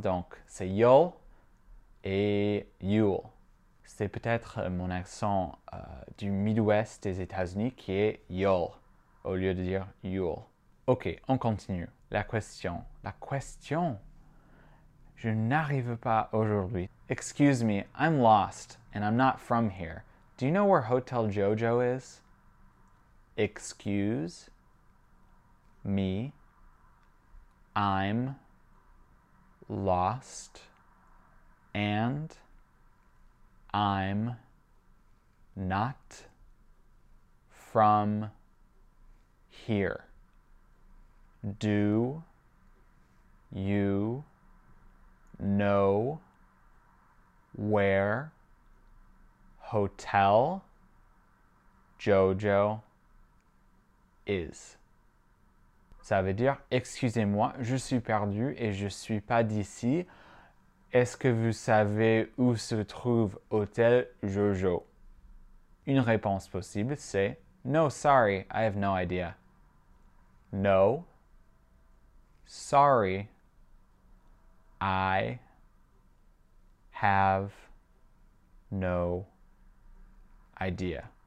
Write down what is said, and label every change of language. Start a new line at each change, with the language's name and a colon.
French: Donc, c'est you'll et you'll. C'est peut-être mon accent du Midwest des États-Unis qui est you'll, au lieu de dire you'll. Ok, on continue. La question. Je n'arrive pas aujourd'hui.
English: Excuse me, I'm lost and I'm not from here. Do you know where Hotel Jojo is? Excuse me, I'm lost and I'm not from here. Do you know where Hotel Jojo is?
French: Ça veut dire, excusez-moi, je suis perdu et je suis pas d'ici. Est-ce que vous savez où se trouve Hôtel Jojo? Une réponse possible, c'est:
English: No, sorry, I have no idea. No, sorry, I have no idea.